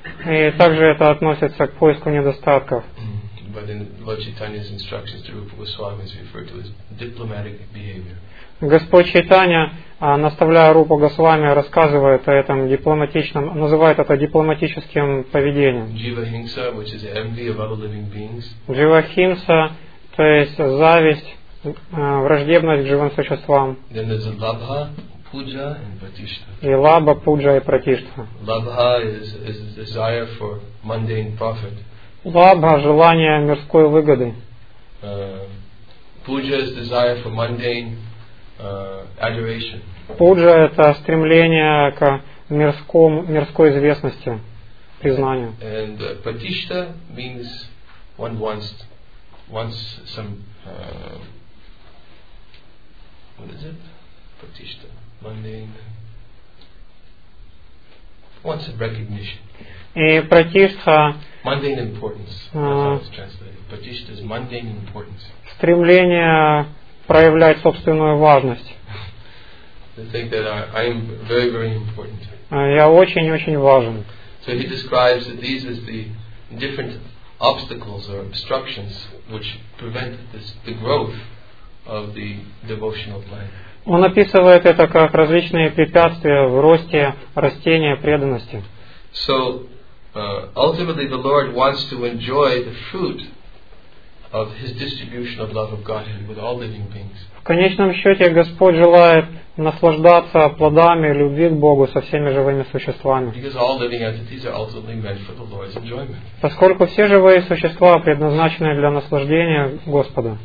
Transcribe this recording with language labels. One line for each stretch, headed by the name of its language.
Russian: И также это относится к поиску недостатков.
English: But in Lord Chaitanya's instructions to Rupa Goswami is referred to as diplomatic behavior.
Russian: Господь Чайтанья, наставляя Рупу Госвами, рассказывает о этом дипломатичном, называет это дипломатическим поведением.
English: Jivahimsa, which is envy of other living beings.
Russian: Jivahimsa, то есть зависть, враждебность к живым существам.
English: Then there's a labha, puja, and pratishtha.
Russian: И лаба, пуджа и пратиштха.
English: Labha is a desire for mundane profit.
Russian: Лабха — желание мирской выгоды.
English: Puja is desire for mundane adoration.
Russian: Пуджа — это стремление к мирской известности, признанию.
English: And pratishtha means one wants some what is it? Pratishtha, mundane. Wants a recognition.
Russian: И пратиштха.
English: Mundane importance. That's how it's translated. Pratiştha is mundane importance.
Russian: Стремление проявлять собственную важность.
English: To think that I am very, very important.
Russian: Я очень-очень важен.
English: So he describes that these as the different obstacles or obstructions which prevent the growth of the devotional plant.
Russian: Он описывает это как различные препятствия в росте растения преданности.
English: So ultimately the Lord wants to enjoy the fruit of his distribution of love of Godhead with all living beings.
Russian: В конечном счете Господь желает наслаждаться плодами любви к Богу со всеми живыми существами.
English: Because all living entities are ultimately meant for the Lord's enjoyment.
Russian: Поскольку все живые существа предназначены для наслаждения Господа.